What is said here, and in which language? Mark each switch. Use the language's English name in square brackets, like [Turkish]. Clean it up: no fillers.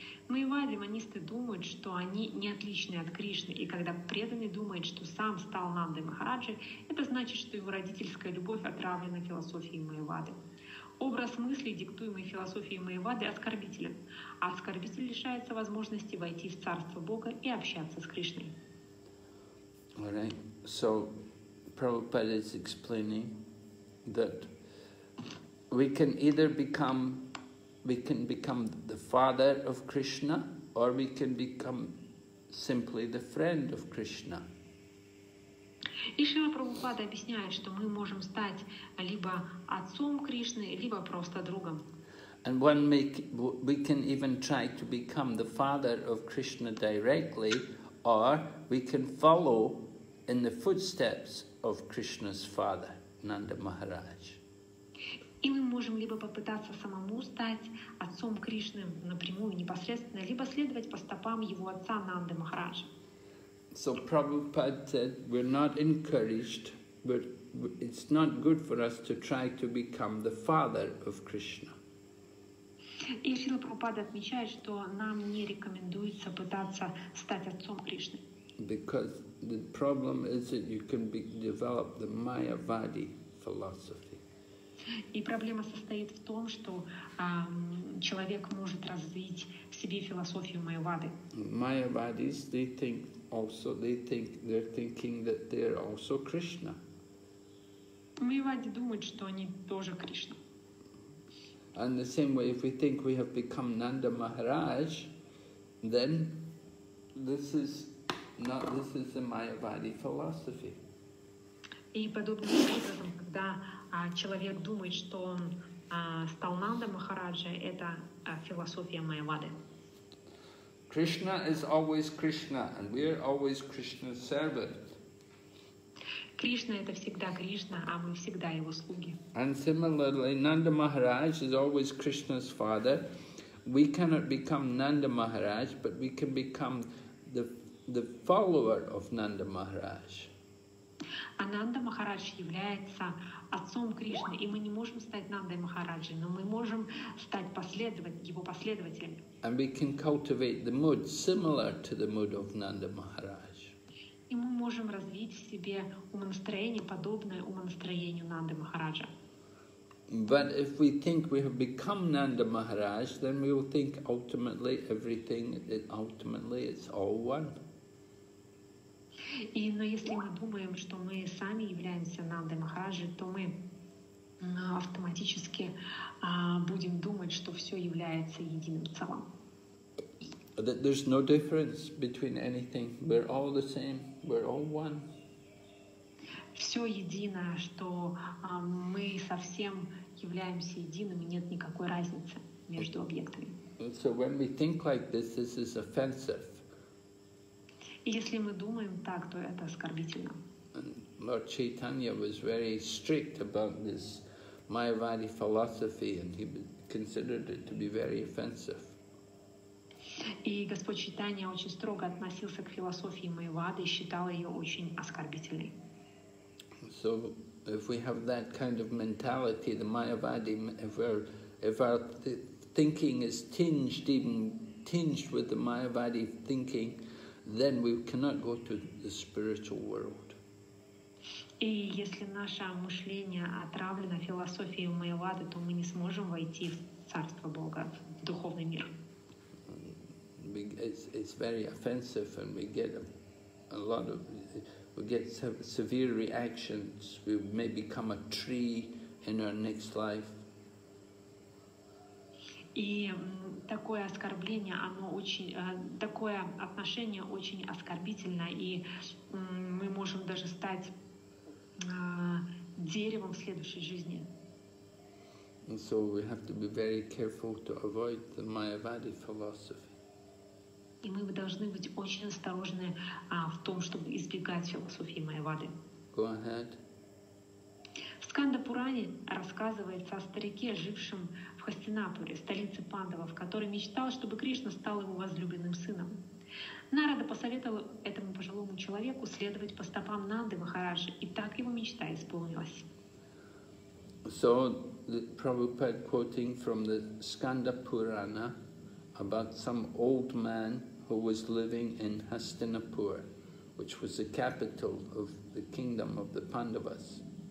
[Russian] Майявады, манисты думают, что они не отличны от Кришны, и когда преданный думает, что сам стал Нандой Махараджи, это значит, что его родительская любовь отравлена философией майявады. Образ мысли, диктуемый философией майявады, оскорбителен, а оскорбитель лишается возможности войти в царство Бога и общаться с Кришной. [English] All right, so Prabhupada is explaining that we can either become, we can become the father of Krishna, or we can become simply the friend of Krishna. [Russian] И Шрила Прабхупада объясняет, что мы можем стать либо отцом Кришны, либо просто другом. [English] And we can even try to become the father of Krishna directly, or we can follow in the footsteps of Krishna's father, Nanda Maharaj. [Russian] И мы можем либо попытаться самому стать отцом Кришны напрямую, непосредственно, либо следовать по стопам его отца Нанды Махараджа. [English] So Prabhupada said, we're not encouraged, but it's not good for us to try to become the father of Krishna. [Russian] И Шрила Прабхупада отмечает, что нам не рекомендуется пытаться стать отцом Кришны. [English] Because the problem is that you can be, develop the Mayavadi philosophy. [Russian] И проблема состоит в том, что человек может развить в себе философию майявады. [English] Mayavadis, they think also, they think they're thinking that they're also Krishna. [Russian] Майявади думают, что они тоже Кришна. [English] And the same way, if we think we have become Nanda Maharaj, then this is. No, this is the Mayavadi philosophy. [Russian] И подобным образом, когда человек думает, что он стал Нанда Махараджа, это философия Майявады. [English] Krishna is always Krishna, and we are always Krishna's servant. [Russian] Кришна это всегда Кришна, а мы всегда его слуги. [English] And similarly, Nanda Maharaj is always Krishna's father. We cannot become Nanda Maharaj, but we can become the follower of Nanda Maharaj. [Russian] Ananda Maharaj является отцом Кришны, и мы не можем стать Нандой Махараджи, но мы можем стать его последователями. [English] And we can cultivate the mood similar to the mood of Nanda Maharaj. [Russian] И мы можем развить в себе умонастроение, подобное умонастроению Нанды Махараджа. [English] But if we think we have become Nanda Maharaj, then we will think ultimately everything, ultimately it's all one. [Russian] И, но если мы думаем, что мы сами являемся Нанды Махараджи, то мы автоматически будем думать, что все является единым целым. [English] That there's no difference between anything. We're all the same. We're all one. [Russian] Все едино, что мы совсем являемся единым, и нет никакой разницы между объектами. [English] So when we think like this, this is offensive. [Russian] Если мы думаем так, то это оскорбительно. [English] And Lord Chaitanya was very strict about this Mayavadi philosophy, and he considered it to be very offensive. [Russian] И Господь Чайтанья очень строго относился к философии Майявады и считал ее очень оскорбительной. [English] So if we have that kind of mentality, the Mayavadi, if our thinking is tinged with the Mayavadi thinking, then we cannot go to the spiritual world. [Russian] И если наше мышление отравлено философией Майявады, то мы не сможем войти в царство Бога, в духовный мир. [English] It's very offensive, and we get severe reactions. We may become a tree in our next life. [Russian] И такое оскорбление, оно очень, такое отношение очень оскорбительно, и мы можем даже стать деревом в следующей жизни. [English] And so we have to be very careful to avoid the Mayavadi philosophy. [Russian] И мы должны быть очень осторожны в том, чтобы избегать философии Майявады. [English] Go ahead. [Russian] В Сканда Пуране рассказывается о старике, жившем в Хастинапуре, столице пандавов, который мечтал, чтобы Кришна стал его возлюбленным сыном. Нарада посоветовал этому пожилому человеку следовать по стопам Нанды Махараджи, и так его мечта исполнилась. [English] So, Prabhupada quoting from the Skanda Purana about some old man who was living in Hastinapur, which was the capital of the kingdom of the Pandavas.